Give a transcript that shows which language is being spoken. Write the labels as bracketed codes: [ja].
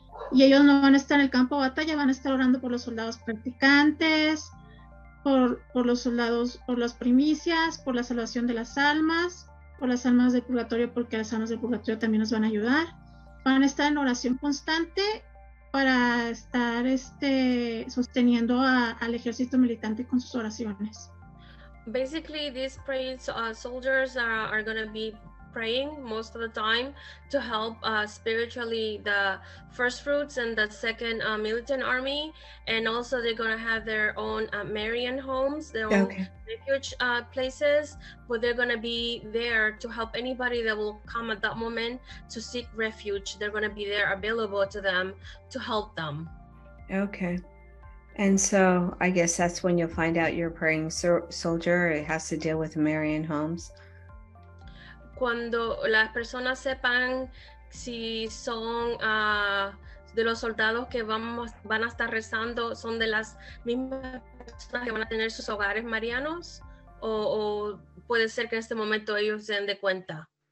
[es] Y ellos no van a estar en el campo de batalla, van a estar orando por los soldados practicantes, por los soldados, por las primicias, por la salvación de las almas, por las almas del purgatorio, porque las almas del purgatorio también nos van a ayudar. Van a estar en oración constante para estar sosteniendo al ejército militante con sus oraciones. [en] Basically, these praying soldiers are going to be praying most of the time to help spiritually the first fruits and the second militant army, and also they're going to have their own Marian homes, their own refuge places, but they're going to be there to help anybody that will come at that moment to seek refuge. They're going to be there available to them to help them. Okay. And so I guess that's when you'll find out your praying soldier. It has to deal with Marian homes. [es] Cuando las personas sepan si son de los soldados que van a estar rezando, son de las mismas personas que van a tener sus hogares marianos, o puede ser que en este momento ellos se den de cuenta.